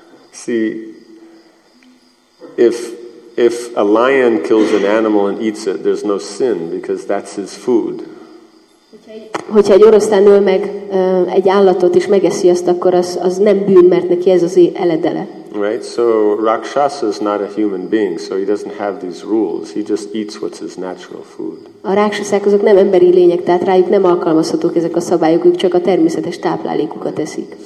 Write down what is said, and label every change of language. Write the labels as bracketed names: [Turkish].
[English] See, if a lion kills an animal and eats it, there's no sin, because that's his food. [Hungarian] Hogyha egy oroszlán öl meg egy állatot és megeszi azt, akkor az nem bűn, mert neki ez az eledele. [English] Right, so Rakshasa is not a human being, so he doesn't have these rules. He just eats what's his natural food. [Hungarian] A rakshasák azok nem emberi lények, tehát rájuk nem alkalmazhatók ezek a szabályok, ők csak a természetes táplálékukat eszik.